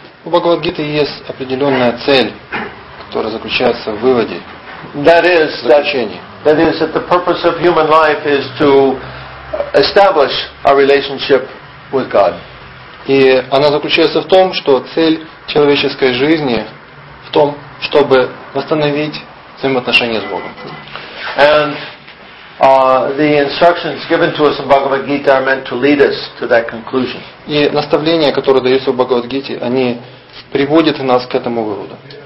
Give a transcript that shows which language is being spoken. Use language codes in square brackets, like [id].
[ru] У Бхагавад Гиты есть определенная цель, которая заключается в выводе. [en] That is that the purpose of human life is to establish a relationship with God. [ru] И она заключается в том, что цель человеческой жизни в том, чтобы восстановить взаимоотношения с Богом. [en] And the instructions given to us in Bhagavad Gita are meant to lead us to that conclusion. [ru] И наставления, которые даются в Бхагавад Гите, они приводят нас к этому выводу.